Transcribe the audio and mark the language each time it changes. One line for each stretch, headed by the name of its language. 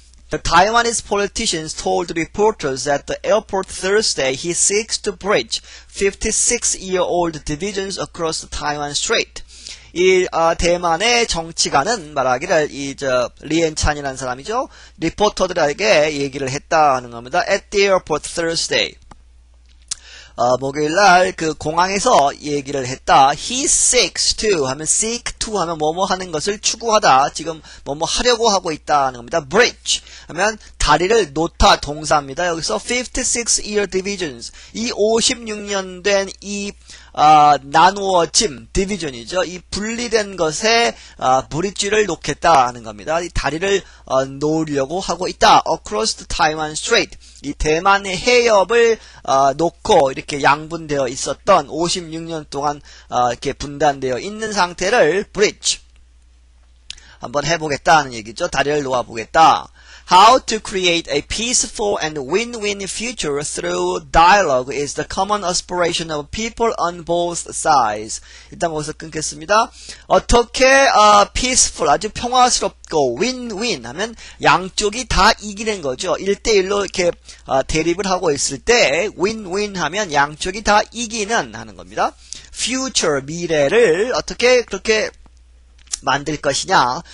English: The Taiwanese politicians told reporters at the airport Thursday he seeks to bridge 56-year-old divisions across the Taiwan Strait.
Korean: 대만의 정치가는 말하기를 리엔찬이라는 사람이죠. 리포터들에게 얘기를 했다는 겁니다.
English: At the airport Thursday.
Korean: 목요일 날그 공항에서 얘기를 했다.
English: He seeks to
Korean: 하면 seek to 하면 뭐뭐 하는 것을 추구하다. 지금 뭐뭐 하려고 하고 있다는 겁니다. Bridge 하면 다리를 놓다 동사입니다. 여기서
English: 56-year divisions
Korean: 이 56년 된이 나누어짐 디비전이죠. 이 분리된 것에 브릿지를 놓겠다는 겁니다. 이 다리를 놓으려고 하고 있다.
English: Across the Taiwan Strait.
Korean: 이 대만의 해협을 놓고 이렇게 양분되어 있었던 56년 동안 이렇게 분단되어 있는 상태를 브릿지 한번 해보겠다는 얘기죠. 다리를 놓아보겠다.
English: How to create a peaceful and win-win future through dialogue is the common aspiration of people on both sides.
Korean: 일단 거기서 끊겠습니다. 어떻게 peaceful 아주 평화스럽고 win-win 하면 양쪽이 다 이기는 거죠. 1대1로 이렇게 대립을 하고 있을 때 win-win 하면 양쪽이 다 이기는 하는 겁니다. Future 미래를 어떻게 그렇게 만들 것이냐?